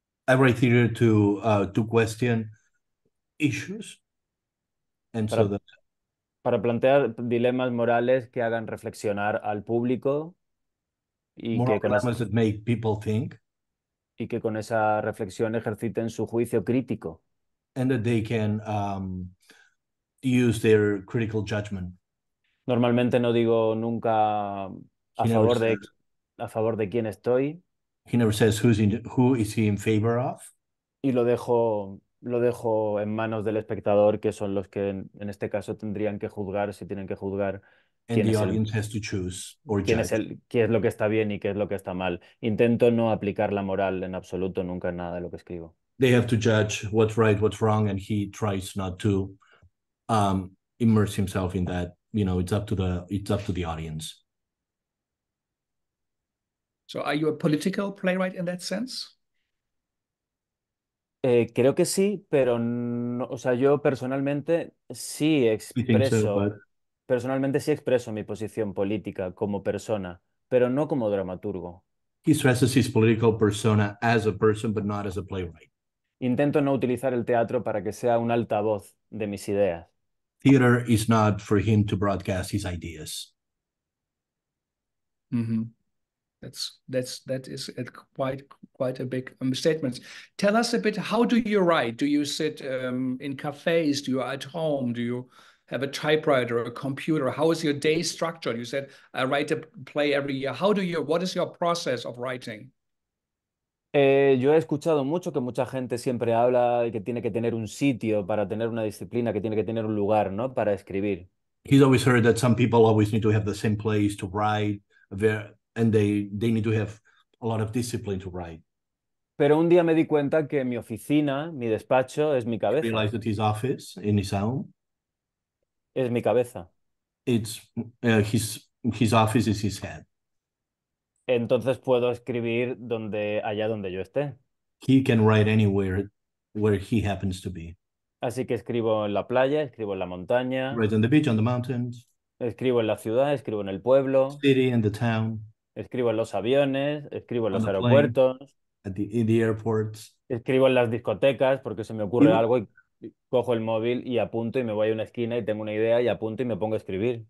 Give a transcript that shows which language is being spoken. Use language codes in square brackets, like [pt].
[en] I write theater to question issues. And para, so that... [es] para plantear dilemas morales que hagan reflexionar al público y [en] moral [es] que con [en] dilemmas esa... that make people think. [es] Y que con esa reflexión ejerciten su juicio crítico. [en] And that they can use their critical judgment. [es] Normalmente no digo nunca a favor de quién estoy. [en] He never says who is he in favor of. [es] Y lo dejo en manos del espectador, que son los que en este caso tendrían que juzgar, si tienen que juzgar. [en] And the audience has to choose or judge. [es] Qué es lo que está bien y qué es lo que está mal. Intento no aplicar la moral en absoluto nunca en nada de lo que escribo. [en] They have to judge what's right, what's wrong, and he tries not to immerse himself in that. You know, it's up to the audience. So are you a political playwright in that sense? [es] Creo que sí, pero no, o sea, yo personalmente sí expreso, [en] so, but... [es] personalmente sí expreso mi posición política como persona, pero no como dramaturgo. [en] He stresses his political persona as a person, but not as a playwright. [es] Intento no utilizar el teatro para que sea un altavoz de mis ideas. [en] Theater is not for him to broadcast his ideas. Mm-hmm. That is a quite a big statement. Tell us a bit, how do you write? Do you sit in cafes? Do you at home? Do you have a typewriter or a computer? How is your day structured? You said, I write a play every year. What is your process of writing? [es] Yo he escuchado mucho que mucha gente siempre habla de que tiene que tener un sitio para tener una disciplina, que tiene que tener un lugar, ¿no?, para escribir. [en] He's always heard that some people always need to have the same place to write, and they need to have a lot of discipline to write. [es] Pero un día me di cuenta que mi oficina, mi despacho, es mi cabeza. [en] He realized that his office in his home [es] es mi cabeza. [en] It's his office is his head. [es] Entonces puedo escribir allá donde yo esté. [en] He can write anywhere where he happens to be. [es] Así que escribo en la playa, escribo en la montaña. [en] Write on the beach, on the mountains. [es] Escribo en la ciudad, escribo en el pueblo. [en] City and the town. [es] Escribo en los aviones, escribo en los aeropuertos. [en] In the airports. [es] Escribo en las discotecas porque se me ocurre algo y cojo el móvil y apunto y me voy a una esquina y tengo una idea y apunto y me pongo a escribir.